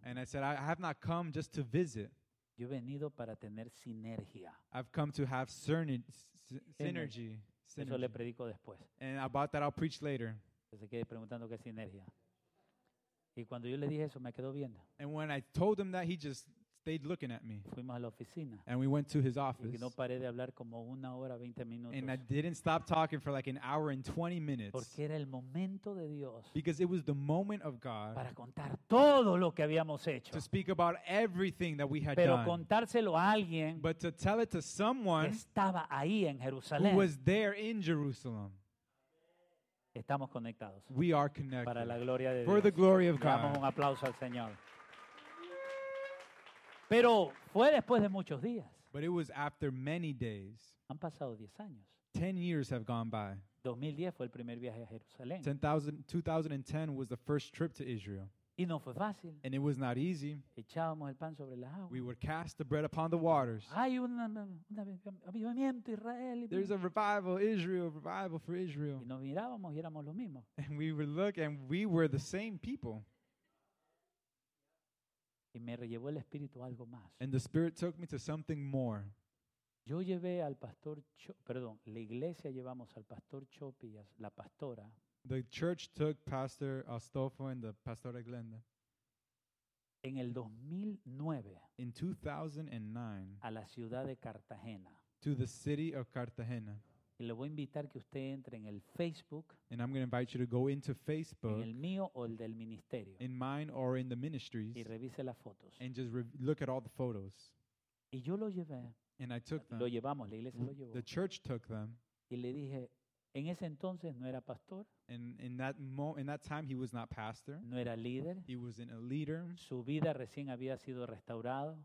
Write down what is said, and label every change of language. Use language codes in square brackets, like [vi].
[en] And I said, I have not come just to visit. [es] Yo he venido para tener sinergia. [en] I've come to have synergy. [es] Eso le predico después. [en] And about that I'll preach later. [es] Se quede preguntando qué es sinergia. Y cuando yo le dije eso, me quedó viendo. [en] And when I told him that, he just stayed looking at me. [es] Fuimos a la oficina. [en] And we went to his office. [es] Y no paré de hablar como una hora, 20 minutos. [en] And I didn't stop talking for like an hour and 20 minutes. [es] Porque era el momento de Dios. [en] Because it was the moment of God. [es] Para contar todo lo que habíamos hecho. [en] To speak about everything that we had [es] Pero [en] done. [es] Pero contárselo a alguien. [en] But to tell it to someone. [es] Que estaba ahí en Jerusalén. [en] Who was there in Jerusalem. [es] Estamos conectados. [en] We are connected. [es] Para la gloria de Dios. [en] For the glory of God. [es] Damos un aplauso al Señor. Pero fue después de muchos días. [en] But it was after many days. [es] Han pasado 10 años. [en] 10 years have gone by. [es] 2010 fue el primer viaje a Jerusalén. [en] 2010 was the first trip to Israel. [es] Y no fue fácil. [en] And it was not easy. [es] Echábamos el pan sobre las aguas. [en] We would cast the bread upon the waters. [es] Hay un avivamiento Israel. [en] There's a revival, Israel, revival for Israel. [es] Y nos mirábamos y éramos los mismos. [en] And we would look and we were the same people. [es] Y me llevó el Espíritu a algo más. [en] And the Spirit took me to something more. [es] Yo llevé al pastor, la iglesia llevamos al pastor Chopi y a la pastora. [en] The church took Pastor Astolfo and the Pastora Glenda. [es] En el 2009. [en] In 2009. [es] A la ciudad de Cartagena. [en] To the city of Cartagena. [es] Y le voy a invitar que usted entre en el Facebook. [en] And I'm going to invite you to go into Facebook. [es] En el mío o el del ministerio. [en] In mine or in the ministries. [es] Y revise las fotos. [en] And just look at all the photos. [es] Y yo lo llevé. [en] And I took them. [es] Lo llevamos, la iglesia lo llevó. [en] The church took them. [es] Y le dije, en ese entonces no era pastor. [en] And in that time he was not pastor. [es] No era líder. [en] He wasn't a leader. [es] Su vida recién había sido restaurado.